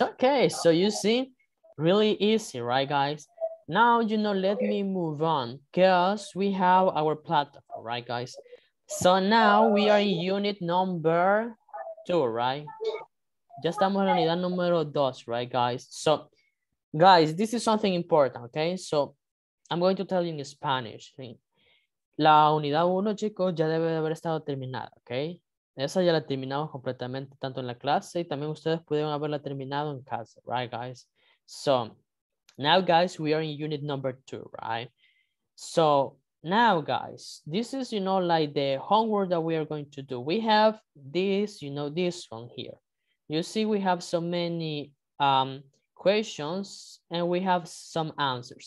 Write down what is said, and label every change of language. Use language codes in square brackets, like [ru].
[en] Okay, so you see, really easy, right, guys? Now, you know, let me move on because we have our platform, right, guys? So now we are in unit number 2, right? [es] Ya estamos en la unidad número 2, [en] right, guys? So, guys, this is something important, okay? So, I'm going to tell you in Spanish. [es] La unidad 1, chicos, ya debe de haber estado terminada, okay? Esa ya la terminamos completamente, tanto en la clase, y también ustedes pudieron haberla terminado en casa, [en] right, guys? So, now, guys, we are in unit number 2, right? So, now, guys, this is, you know, like the homework that we are going to do. We have this, you know, this one here. You see, we have so many questions and we have some answers.